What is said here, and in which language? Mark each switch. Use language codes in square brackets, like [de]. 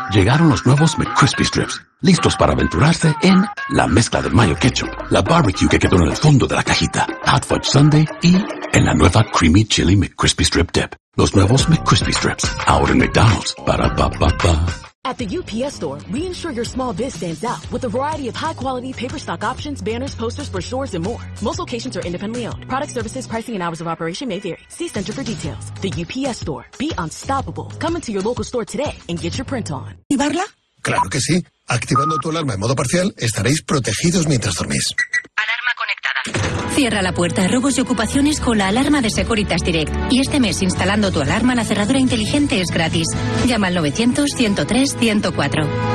[es] Llegaron los nuevos McCrispy Strips, listos para aventurarse en la mezcla del mayo ketchup, la barbecue que quedó en el fondo de la cajita, Hot Fudge Sundae y en la nueva Creamy Chili McCrispy Strip Dip. Los nuevos McCrispy Strips, ahora en McDonald's. Ba-da-ba-ba-ba. [en] At the UPS store, we ensure your small biz stands out with a variety of high-quality paper stock options, banners, posters, brochures, and more. Most locations are independently owned. Product services, pricing, and hours of operation may vary. See center for details. The UPS store. Be unstoppable. Come into your local store today and get your print on. [es] ¿Activarla? Claro que sí. Activando tu alarma en modo parcial, estaréis protegidos mientras dormís. Alarma conectada. Cierra la puerta a robos y ocupaciones con la alarma de Securitas Direct. Y este mes, instalando tu alarma, la cerradura inteligente es gratis. Llama al 900-103-104.